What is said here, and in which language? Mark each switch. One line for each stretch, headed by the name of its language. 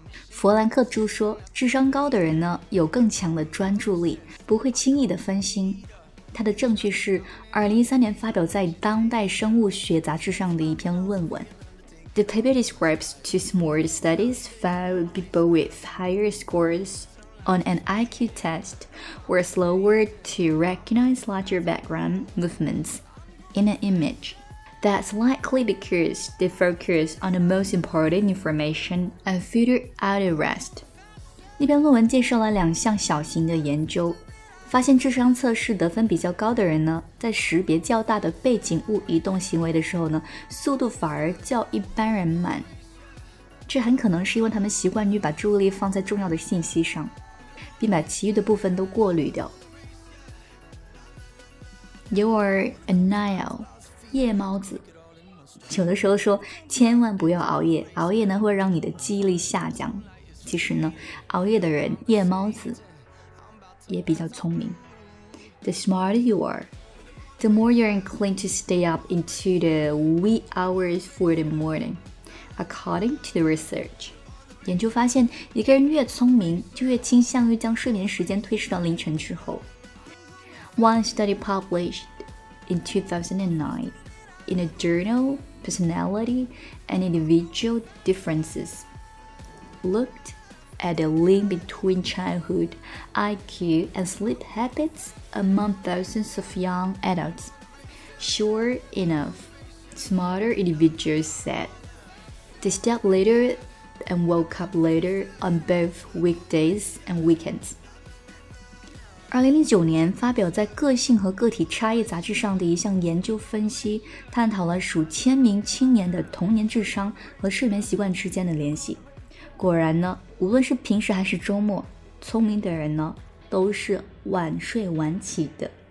Chinese: 弗兰克朱说，智商高的人呢，有更强的专注力，不会轻易的分心。他的证据是2013年发表在《当代生物学》杂志上的一篇论文。
English: The paper describes two smart studies found people with higher scores on an IQ test were slower to recognize larger background movements in an image. That's likely because they focus on the most important information and filter out the rest.
Chinese: 那篇论文介绍了两项小型的研究，发现智商测试得分比较高的人呢，在识别较大的背景物移动行为的时候呢，速度反而较一般人慢。这很可能是因为他们习惯于把注意力放在重要的信息上，并把其余的部分都过滤掉。
English: You are a nail,
Chinese: 夜猫子。有的时候说千万不要熬夜，熬夜呢会让你的记忆力下降。其实呢，熬夜的人，夜猫子也比较聪明。
English: The smarter you are, the more you're inclined to stay up into the wee hours for the morning, according to the research.
Chinese: 研究发现，一个人越聪明，就越倾向于将睡眠时间推迟到凌晨之后。
English: One study published in 2009 in a journal Personality and Individual Differences looked at the link between childhood IQ and sleep habits among thousands of young adults. Sure enough, smarter individuals said they slept later and woke up later on both weekdays and weekends.
Chinese: 2009年发表在《个性和个体差异》杂志上的一项研究分析，探讨了数千名青年的童年智商和睡眠习惯之间的联系。果然呢，无论是平时还是周末，聪明的人呢都是晚睡晚起的。